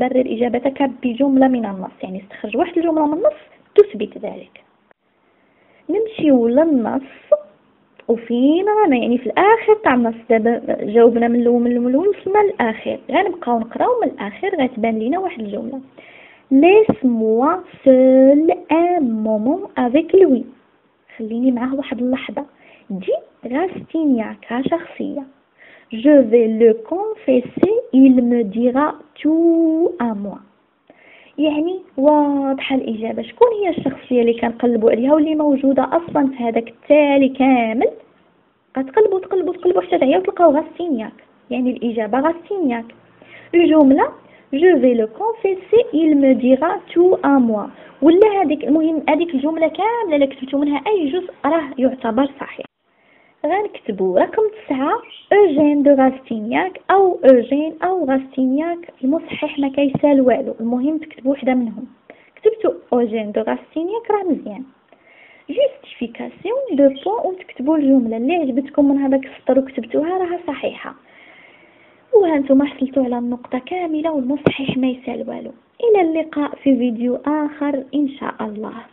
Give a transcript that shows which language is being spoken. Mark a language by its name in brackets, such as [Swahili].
[Arabic] برر إجابتك بجملة من النص، يعني استخرج واحد الجملة من النص تثبت ذلك. نمشي للنص، وفين رانا؟ يعني في الآخر تاع النص. دابا جاوبنا من الأول من الأول وصلنا للآخر، غنبقاو نقراو من الآخر، غتبان لينا واحد الجملة. [French] Laisse-moi seul un moment avec lui. [Arabic] خليني معاه واحد اللحظة. دي راستينياك شخصية. [French] Je vais le confesser, il me dira tout à moi. [Arabic] يعني واضح الإجابة، شكون هي الشخصية اللي كنقلبوا عليها واللي موجودة أصلا في هذاك التالي كامل؟ غتقلبوا تقلبوا تقلبوا حتى تعيا وتلقاو غاستينياك، يعني الإجابة غاستينياك. [French] الجملة: Je vais le confesser, il me dira tout à moi. [Arabic] ولا هذيك، المهم هذيك الجملة كاملة اللي كتبتوا منها أي جزء راه يعتبر صحيح. غنكتبوا رقم 9 اوجين دو غاستينياك، او اوجين او غاستينياك، المصحح ما كيسال والو، المهم تكتبوا وحده منهم. كتبتوا اوجين دو غاستينياك راه مزيان. [French] جوستيفيكاسيون دو بوان، [Arabic] وتكتبوا الجمله اللي عجبتكم من هذاك السطر وكتبتوها راها صحيحه، وهانتوما حصلتوا على النقطه كامله والمصحح ما يسال والو. الى اللقاء في فيديو اخر ان شاء الله.